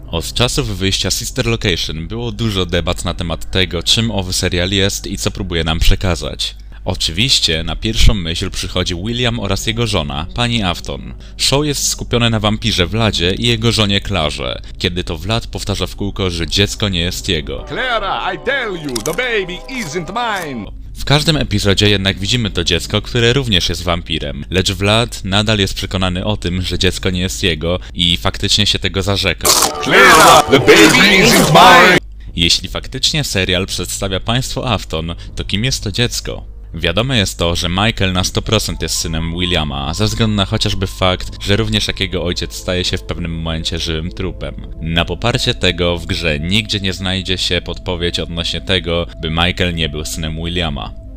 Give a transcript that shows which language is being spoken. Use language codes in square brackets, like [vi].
[pl] Od czasów wyjścia Sister Location było dużo debat na temat tego, czym owy serial jest i co próbuje nam przekazać. Oczywiście na pierwszą myśl przychodzi William oraz jego żona, pani Afton. Show jest skupione na wampirze Vladzie i jego żonie Clarze, kiedy to Vlad powtarza w kółko, że dziecko nie jest jego. [en] Clara, I tell you, the baby isn't mine! [pl] W każdym epizodzie jednak widzimy to dziecko, które również jest wampirem, lecz Vlad nadal jest przekonany o tym, że dziecko nie jest jego i faktycznie się tego zarzeka. [en] Clara, the baby isn't mine! [pl] Jeśli faktycznie serial przedstawia państwo Afton, to kim jest to dziecko? Wiadome jest to, że Michael na 100% jest synem Williama, ze względu na chociażby fakt, że również jak jego ojciec staje się w pewnym momencie żywym trupem. Na poparcie tego w grze nigdzie nie znajdzie się podpowiedź odnośnie tego, by Michael nie był synem Williama.